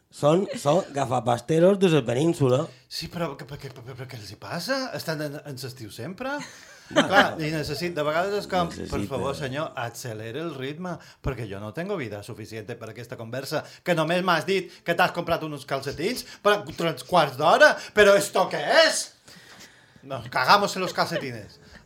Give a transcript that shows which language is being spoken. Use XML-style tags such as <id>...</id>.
<ca>Són gafapasteros de la península. Sí, però què els hi passa? Estan en l'estiu sempre? No, clar, no. I necessit, de vegades és com, necessita. Per favor, senyor, accelera el ritme, perquè jo no</ca> <es>tengo</es> <ca>vida suficient per aquesta conversa, que només m'has dit que t'has comprat uns calcetins per tres quarts d'hora, però</ca> <es>esto</es> <ca>què és?</ca> <es>Nos cagamos en los calcetines.</es>